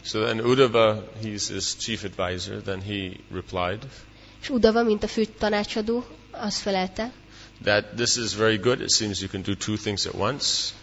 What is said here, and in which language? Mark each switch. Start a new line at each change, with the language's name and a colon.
English: So then Uddhava, he's his chief advisor, then he replied.
Hungarian: És Uddhava, mint a fő tanácsadó, azt felelte.
English: That this is very good. It seems you can do two things at once.